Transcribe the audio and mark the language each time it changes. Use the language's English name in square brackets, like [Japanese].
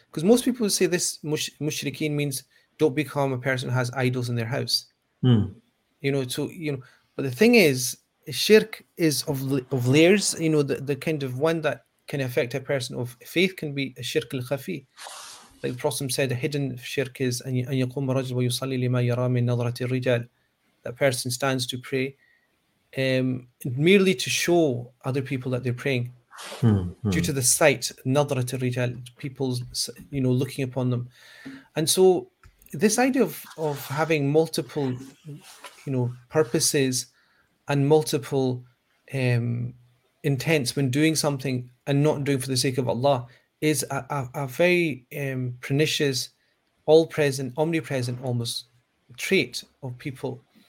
[English] Because most people say this mushrikeen means don't become a person who has idols in their house. But the thing is, shirk is of layers, the kind of one that can affect a person of faith can be a shirk al-khafi. Like the Prophet said, a hidden shirk is [Arabic] أن يقوم رجل ويصلي لما يرى من نظرة الرجال. [English] That person stands to pray merely to show other people that they're praying due to the sight, [Arabic] نظرة الرجال, [English] people's, looking upon them. And so this idea of having multiple, purposes and multiple intents when doing something and not doing for the sake of Allah is a very pernicious, all-present, omnipresent almost trait of people.